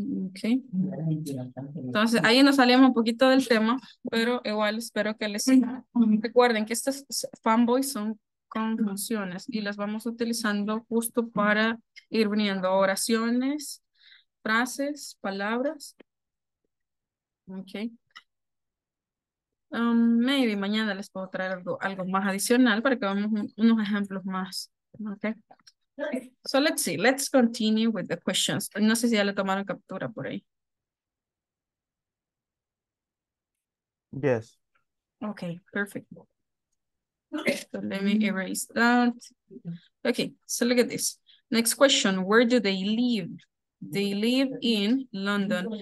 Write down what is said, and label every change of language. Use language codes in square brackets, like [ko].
[es] Okay. Entonces ahí nos salimos un poquito del tema, pero igual espero que les recuerden que estos fanboys son conjunciones y las vamos utilizando justo para ir uniendo oraciones, frases, palabras. Okay. Maybe mañana les puedo traer algo más adicional para que veamos unos ejemplos más. Okay. [en] So let's see, let's continue with the questions. [es] No sé si ya le tomaron captura por ahí. [en] Yes. Okay, perfect. So let me erase that. Okay, so look at this. Next question, where do they live? They live in London.